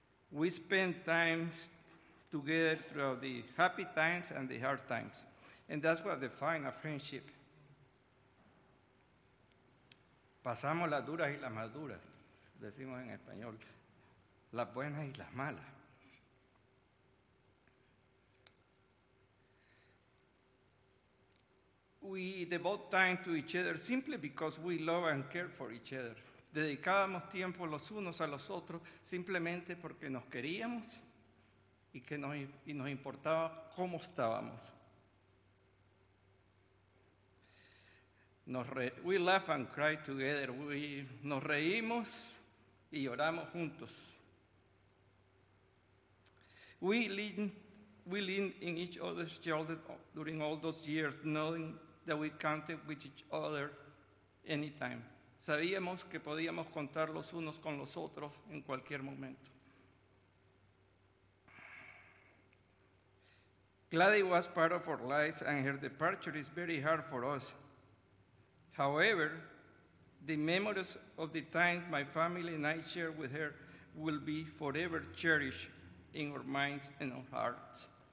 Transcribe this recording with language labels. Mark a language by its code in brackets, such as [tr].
[en] We spend times together throughout the happy times and the hard times, and that's what defines a friendship. [es] Pasamos las duras y las maduras, decimos en español, las buenas y las malas. [en] We devote time to each other simply because we love and care for each other. [es] Dedicábamos tiempo los unos a los otros simplemente porque nos queríamos y nos importaba cómo estábamos. [en] We laugh and cry together. [es] Nos reímos y lloramos juntos. [en] We lean in each other's shoulders during all those years, knowing that we counted with each other anytime. [es] Sabíamos que podíamos contar los unos con los otros en cualquier momento. [en] Gladys was part of our lives and her departure is very hard for us. However, the memories of the time my family and I shared with her will be forever cherished in our minds and our hearts.